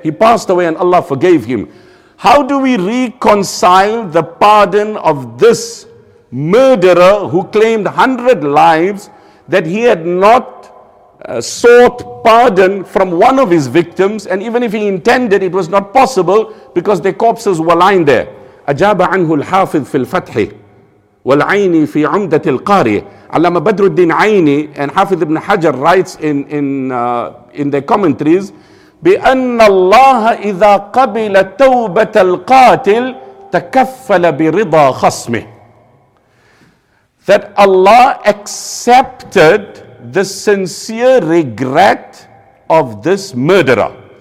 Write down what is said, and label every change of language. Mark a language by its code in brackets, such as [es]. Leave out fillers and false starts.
[en] He passed away and Allah forgave him. How do we reconcile the pardon of this murderer who claimed 100 lives that he had not sought pardon from one of his victims, and even if he intended, it was not possible because their corpses were lying there. [ar] أجاب عنه الحافظ في الفتح والعيني في عمدة القاري. [en] Allama Badruddin Ayni and Hafiz ibn Hajar writes in their commentaries, [ar] بِأَنَّ اللَّهَ إِذَا قَبِلَ تَوْبَةَ الْقَاتِلِ تَكَفَّلَ بِرِضَى خَصْمِهِ. [en] That Allah accepted the sincere regret of this murderer.